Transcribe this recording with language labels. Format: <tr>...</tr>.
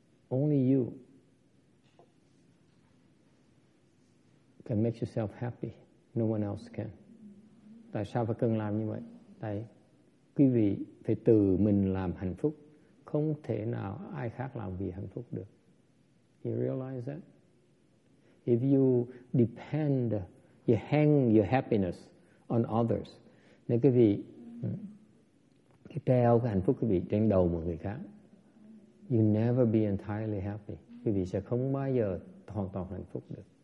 <en>Only you can make yourself happy. No one else can.</en> <vi>Tại sao phải cần làm như vậy? Tại quý vị phải tự mình làm hạnh phúc. Không thể nào ai khác làm vì hạnh phúc được.</vi> <en>You realize that? If you depend, you hang your happiness on others,</en> <vi>nếu quý vị cái treo cái hạnh phúc quý vị trên đầu mọi người khác.</vi> <en>You never be entirely happy.</en> <vi>Quý vị sẽ không bao giờ hoàn toàn hạnh phúc được.</vi>